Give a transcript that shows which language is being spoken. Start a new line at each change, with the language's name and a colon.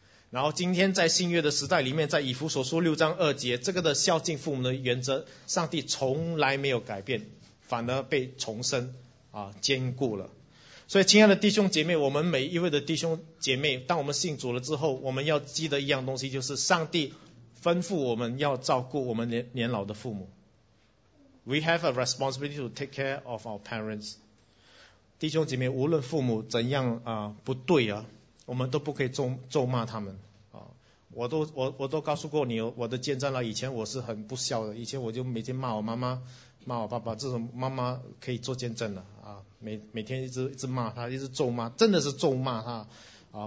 Chinese: 然后今天在新约的时代里面，在以弗所书6:2，这个的孝敬父母的原则，上帝从来没有改变，反而被重申坚固了。所以亲爱的弟兄姐妹，我们每一位的弟兄姐妹，当我们信主了之后，我们要记得一样东西，就是上帝吩咐我们要照顾我们年老的父母。
English: We have a responsibility to take care of our parents.
Chinese: 弟兄姐妹，无论父母怎样不对啊，我们都不可以咒骂他们啊。我都告诉过你我的见证了，以前我是很不孝的，以前我就每天骂我妈妈骂我爸爸，这种妈妈可以做见证的啊。每天一直骂他，一直咒骂，真的是咒骂他啊！